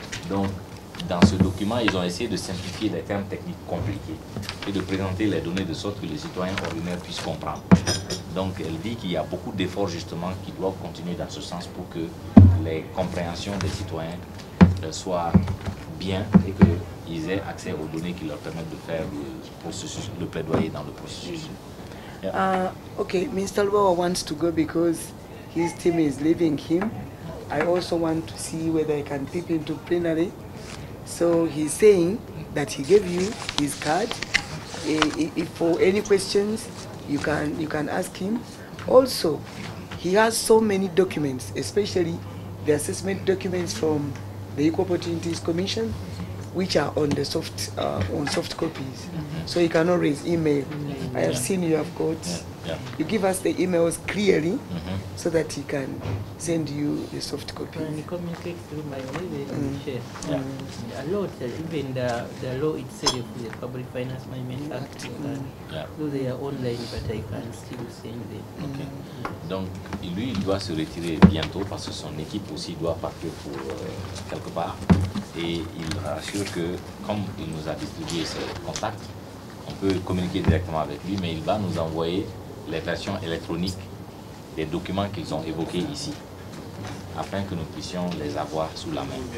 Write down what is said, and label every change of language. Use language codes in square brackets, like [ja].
[fr] Donc, dans ce document, ils ont essayé de simplifier les termes techniques compliqués et de présenter les données de sorte que les citoyens ordinaires puissent comprendre. Donc, elle dit qu'il y a beaucoup d'efforts justement qui doivent continuer dans ce sens pour que les compréhensions des citoyens soient bien et qu'ils aient accès aux données qui leur permettent de faire le processus, le plaidoyer dans le processus. [en] Yeah. Okay, Mr. Lwawa wants to go because his team is leaving him. I also want to see whether I can peep into plenary. So he's saying that he gave you his card. If for any questions, you can ask him. Also, he has so many documents, especially the assessment documents from the Equal Opportunities Commission, which are on the soft on soft copies. So you can always email. I have seen you have got. You give us the emails clearly, so that he can send you the soft copy. Can you communicate through my email? A lot, even the law itself, the Public Finance Management Act, through their online, but I can still send them. Okay. [fr] Donc, lui, il doit se retirer bientôt parce que son équipe aussi doit partir pour quelque part. Et il rassure que, comme il nous a distribué ses contacts, on peut communiquer directement avec lui, mais il va nous envoyer les versions électroniques des documents qu'ils ont évoqués ici, afin que nous puissions les avoir sous la main.